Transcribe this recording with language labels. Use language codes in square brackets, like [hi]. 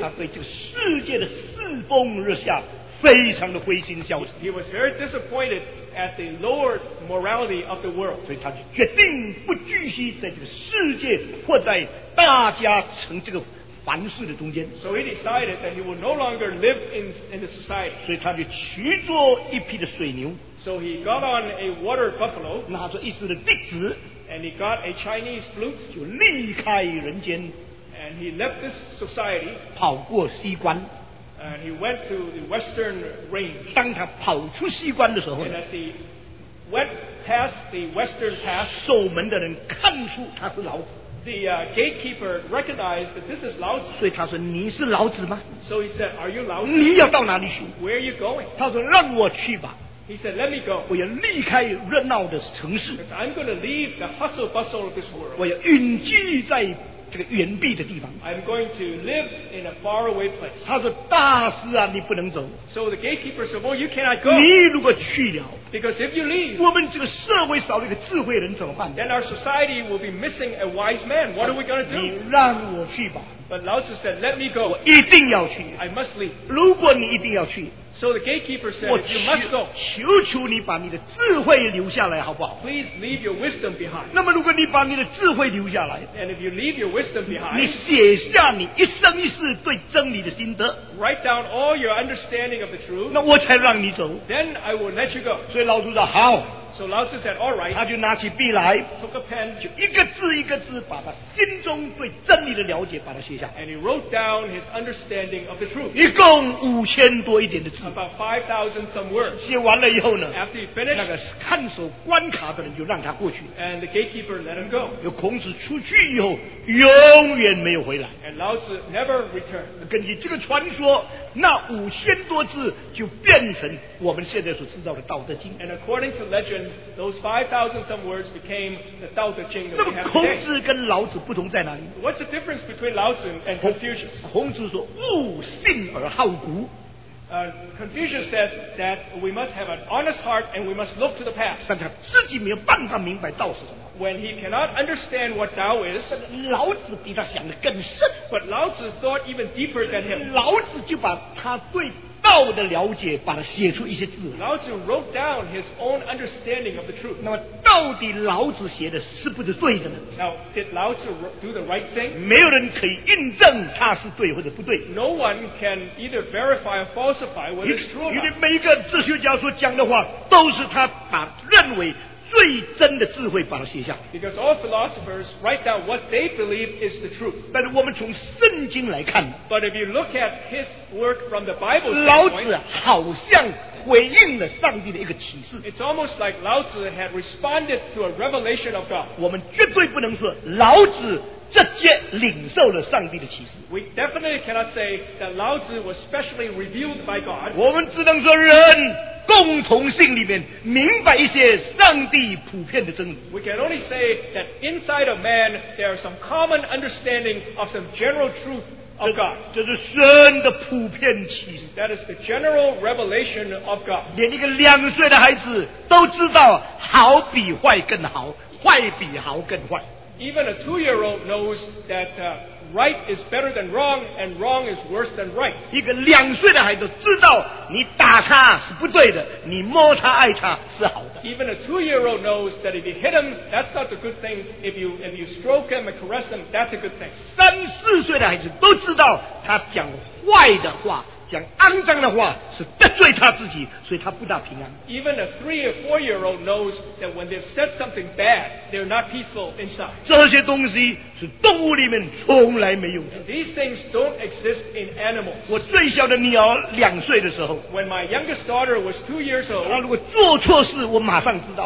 [zh] 他对这个世界的世风日下非常的灰心消沉。 [en] He was very disappointed at the lower morality of the world. [zh] 所以他决定不继续在这个世界或在大家成这个凡事的中间。 [en] So he decided that he would no longer live in the society. [zh] 所以他就驱逐一匹的水牛。 [en] So he got on a water buffalo, [zh] 拿着一只的笛子， [en] and he got a Chinese flute, [zh] 就离开人间， [en] and he left this society, [zh] 跑过西关， [en] And he went to the western range. [zh] 当他跑出西关的时候呢 [en] And as he went past the western pass, [zh] 守门的人看出他是老子。 [en] The gatekeeper recognized that this is Lao Zi. [zh] 所以他说你是老子吗 [en] So he said, are you Lao Zi? [zh] 你要到哪里去 [en] Where are you going? [zh] 他说让我去吧 [en] He said, let me go. [zh] 我要离开热闹的城市 [en] Because I'm going to leave the hustle bustle of this world. [zh] 我要隐居在这个远避的地方 [en] I'm going to live in a far away place. [zh] 他说大师啊你不能走 [en] So the gatekeeper said, well, you cannot go. [zh] 你如果去了 [en] Because if you leave, [zh] 我们这个社会少了一个智慧人怎么办 [en] then our society will be missing a wise man. What are we going to do? [zh] 你让我去吧。 [en] But Lao Tzu said, let me go. [zh] 我一定要去。 [en] I must leave. [zh] 如果你一定要去。 [en] So the gatekeeper said, if you must go. [zh] 求求你把你的智慧留下来好不好 [en] Please leave your wisdom behind. [zh] 那么如果你把你的智慧留下来。 [en] And if you leave your wisdom behind. [zh] 你写下你一生一世对真理的心得。 [en] Write down all your understanding of the truth. [zh] 那我才让你走。 [en] Then I will let you go. [zh] 所以老祖说好。 [en] So Lao Tzu said, all right. [zh] 他就拿起笔来。 [en] Took a pen. [zh] 就一个字一个字把他心中对真理的了解把它写下。 [en] And he wrote down his understanding of the truth. [zh] 一共五千多一点的字。 [en] About 5,000 some words. [zh] 写完了以后呢 [en] After he finished, [zh] 那个看守关卡的人就让他过去。 [en] And the gatekeeper let him go. [zh] 有孔子出去以后永远没有回来。 [en] And Lao Tzu never returned. [zh] 根据这个传说那五千多字就变成我们现在所知道的道德经。 [en] And according to legend, those 5,000 some words became the Tao Te Ching that we have today. [zh] 那么孔子跟老子不同在哪里 [en] What's the difference between Lao Tzu and Confucius? [zh] 孔子说悟性而好古。 [en] Confucius said that we must have an honest heart and we must look to the past. [zh] 但他自己没有办法明白道是什么。 [en] When he cannot understand what Tao is, [zh] 老子比他想得更深。 [en] But Lao Tzu thought even deeper than him. [zh] 老子就把他对道的了解把它写出一些字。 [en] Lao Tzu wrote down his own understanding of the truth. [zh] 那么到底老子写的是不是对的呢 [en] Now, did Lao Tzu do the right thing? [zh] 没有人可以印证他是对或者不对。 [en] No one can either verify or falsify what is true. [zh] 因为每一个哲学家所讲的话都是他把认为最真的智慧把它写下。 [en] Because all philosophers write down what they believe is the truth. [zh] 但是我们从圣经来看。 [en] But if you look at his work from the Bible standpoint, [zh] 老子好像回应了上帝的一个启示。 [en] It's almost like Lao Tzu had responded to a revelation of God. [zh] 我们绝对不能说老子直接领受了上帝的启示。 [en] We definitely cannot say that Lao Tzu was specially revealed by God. [zh] 我们只能说人共同性里面明白一些上帝普遍的真理。 [en] We can only say that inside of man there are some common understanding of some general truth of God. [zh] 这是神的普遍启示。 [en] That is the general revelation of God. [zh] 连一个两岁的孩子都知道好比坏更好，坏比好更坏。 [en] Even a two-year-old knows that right is better than wrong, and wrong is worse than right. [zh] 一个两岁的孩子知道你打他是不对的，你摸他爱他是好的。 [en] Even a two-year-old knows that if you hit him, that's not the good thing. If you stroke him and caress him, that's a good thing. [zh] 三四岁的孩子都知道他讲坏的话。讲肮脏的话是得罪他自己，所以他不大平安。 [en] Even a 3 or 4 year old knows that when they've said something bad, they're not peaceful inside. [zh] 这些东西是动物里面从来没有的。 [en] And these things don't exist in animals. [zh] 我最小的女儿两岁的时候 [en] ，When my youngest daughter was 2 years old， [zh] 她如果做错事，我马上知道。